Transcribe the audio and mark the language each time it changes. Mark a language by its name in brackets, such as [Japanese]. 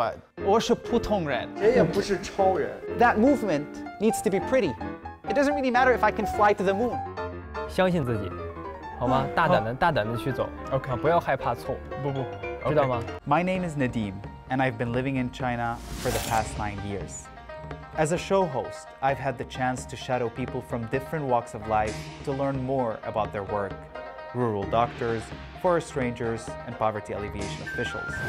[Chinese] 但是没办法，真的没办法。我是普通人，谁也不是超人。 [English] That movement needs to be pretty. It doesn't really matter if I can fly to the moon. [Chinese] 相信自己，好吗？大胆的去走，不要害怕错。不，知道吗？ [English] My name is Nadim, and I've been living in China for the past 9 years. As a show host, I've had the chance to shadow people from different walks of life to learn more about their work. Rural doctors, forest rangers, and poverty alleviation officials.